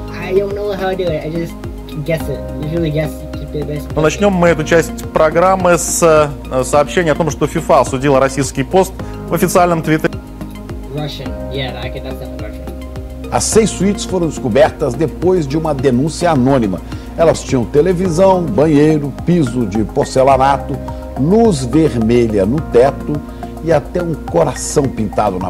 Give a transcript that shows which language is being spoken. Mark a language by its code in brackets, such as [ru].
[en] I don't know how to do it, I just guess it. Usually guess it should be the best. [ru] Ну, начнем мы эту часть программы с сообщения о том, что FIFA осудила российский пост в официальном твиттере. [en] Russian, yeah, I can understand Russian. [pt] As 6 suítes foram descobertas depois de uma denúncia anônima. Elas tinham televisão, banheiro, piso de porcelanato, luz vermelha no teto e até um coração pintado na